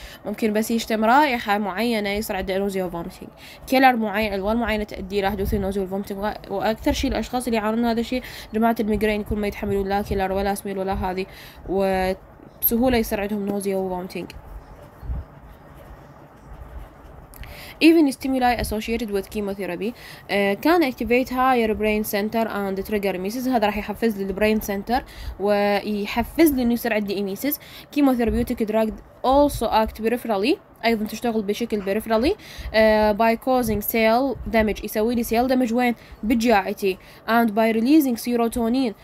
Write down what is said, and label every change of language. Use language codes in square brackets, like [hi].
[ar] ممكن بس يشتم رائحه معينه يصير عنده نوزيا وفومتنج. كيلر معين الوان معينه تؤدي الى حدوث النوزيا والفومتنج. واكثر شيء الاشخاص اللي يعانون هذا الشيء جماعه الميجرين يكون ما يتحملون لا كيلر ولا سميل ولا هذه، وبسهوله يصير عندهم نوزيا وفومتنج. [en] Even stimuli associated with chemotherapy can activate higher brain center and trigger emesis. [ar] هذا راح يحفز للبرين سنتر ويحفز لانه يصير عندي emesis. [en] Chemotherapeutic drug also act peripherally. [ar] ايضا تشتغل بشكل [en] peripherally by causing cell damage. [ar] يسوي لي cell damage وين؟ بجاعتي. [en] And by releasing serotonin.